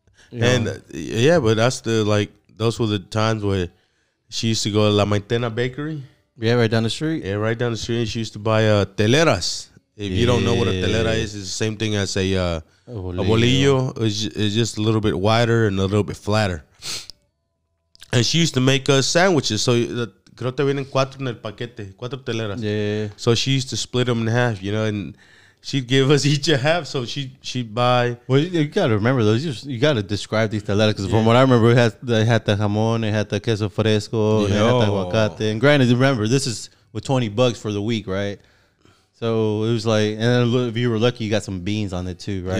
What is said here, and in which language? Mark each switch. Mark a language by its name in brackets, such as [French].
[English] But that's the, like, those were the times where she used to go to La Maitena Bakery. Yeah, right down the street. Yeah, right down the street. And she used to buy teleras. If you don't know what a telera is, it's the same thing as a bolillo. It's just a little bit wider and a little bit flatter. And she used to make sandwiches. [Spanish] So, creo que vienen cuatro en el paquete. Cuatro teleras. [English] Yeah. So, she used to split them in half, you know, and she'd give us each a half. So, she'd buy. Well, you got to remember those. You got to describe these teleras. Because from what I remember, it had the jamón, it had the queso fresco, it had the aguacate. And granted, remember, this is with $20 for the week, right? So it was like, and if you were lucky, you got some beans on it too, right?